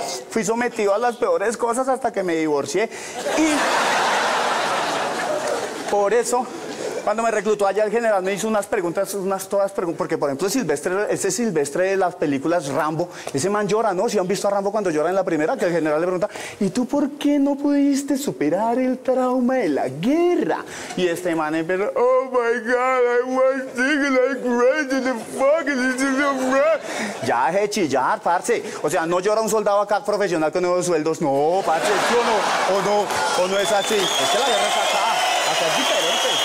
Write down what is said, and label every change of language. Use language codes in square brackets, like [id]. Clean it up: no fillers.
[es] Fui sometido a las peores cosas hasta que me divorcié. Y por eso, cuando me reclutó allá el general, me hizo unas preguntas, porque por ejemplo, ese Silvestre de las películas Rambo, ese man llora, ¿no? Si han visto a Rambo cuando llora en la primera, que el general le pregunta, ¿y tú por qué no pudiste superar el trauma de la guerra? Y este man empezó, [en] oh my God, I was thinking like crazy, the fuck is this so bad? [es] Ya, deje de chillar, parce. O sea, no llora un soldado acá profesional con nuevos sueldos, no, parce, ¿sí o no? O no es así. Es que la guerra está acá.